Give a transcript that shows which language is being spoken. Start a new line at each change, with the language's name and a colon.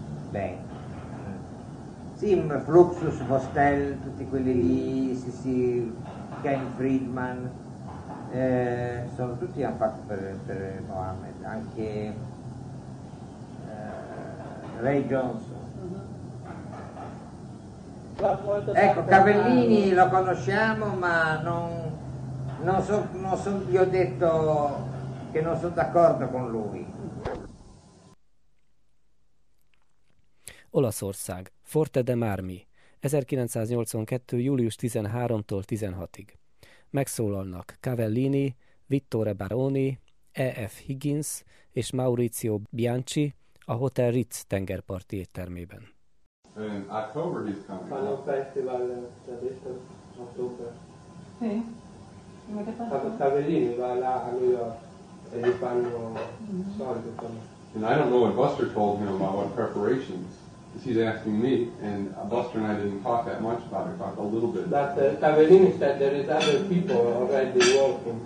Italian: Beh, Sim, Fluxus, Vostel, tutti quelli lì, sì, Ken Friedman, sono tutti hanno fatto per Mohammed, anche Ray Johnson. Ecco, Cavellini lo conosciamo, ma non so, gli ho detto che non sono d'accordo con lui.
Hungarian: Olaszország, Forte de Marmi, 1982. július 13-tól 16-ig. Megszólalnak Cavellini, Vittore Baroni, E.F. Higgins és Maurizio Bianchi a Hotel Ritz tengerparti éttermében.
English: In October he's coming. Final festival, adesso, October.
Italian: Sì. Ma che fa? Fatto Cavellini, va là a New York e gli fanno soldi.
English: And I don't know what Buster told him about what preparations, because he's asking me, and Buster and I didn't talk that much about it, talked a little bit. But Cavellini said there is other people already working.